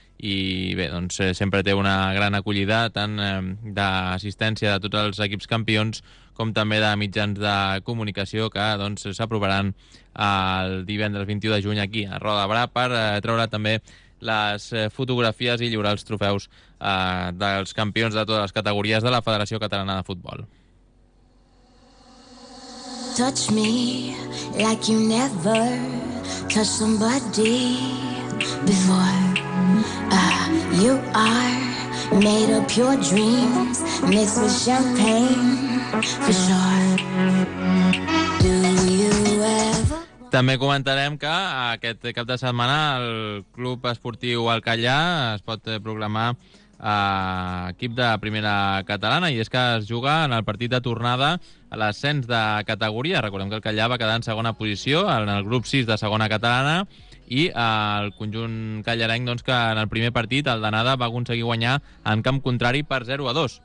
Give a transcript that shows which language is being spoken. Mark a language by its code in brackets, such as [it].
[ca] I bé, doncs sempre té una gran acollida tant d'assistència de tots els equips campions com també de mitjans de comunicació que doncs s'aprovaran el divendres 21 de juny aquí a Roda de Barà per treure també les fotografies i lliurar els trofeus dels campions de totes les categories de la Federació Catalana de Futbol. [en] touch me like you never touched somebody before. You are made of pure dreams mixed with champagne for sure. Do you ever? [ca] També comentarem que aquest cap de setmana el Club Esportiu Alcallà es pot proclamar equip de primera catalana, i és que es juga en el partit de tornada a l'ascens de categoria. Recordem que el Callà va quedar en segona posició en el grup 6 de segona catalana, i el conjunt callarenc, doncs, que en el primer partit, el d'anada, va aconseguir guanyar en camp contrari per 0-2.